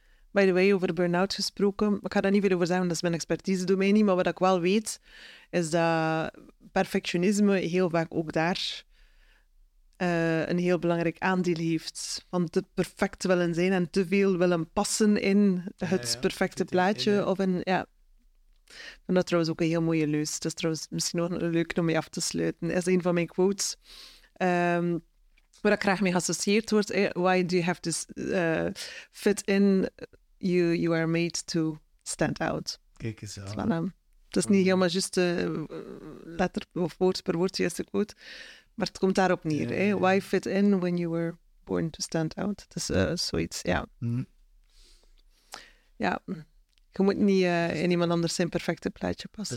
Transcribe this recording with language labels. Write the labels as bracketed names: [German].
[English] By the way, [Dutch] over burn-out gesproken, ik ga daar niet veel over zeggen, dat is mijn expertise domein niet, maar wat ik wel weet is dat perfectionisme heel vaak ook daar een heel belangrijk aandeel heeft van te perfect willen zijn en te veel willen passen in het perfecte plaatje. Dat trouwens ook een heel mooie leus. Dat is trouwens misschien ook leuk om mee af te sluiten. Dat is een van mijn quotes. Waar ik graag mee geassocieerd word. [English] Why do you have to fit in? You are made to stand out. [Dutch] Kijk eens aan. Voilà. Het is niet helemaal juist de letter of woord per woord, juist de quote. Maar het komt daarop neer. Ja, ja. Hè? [English] Why fit in when you were born to stand out? [Dutch] Dat is zoiets, ja. Ja, je moet niet in iemand anders zijn perfecte plaatje passen.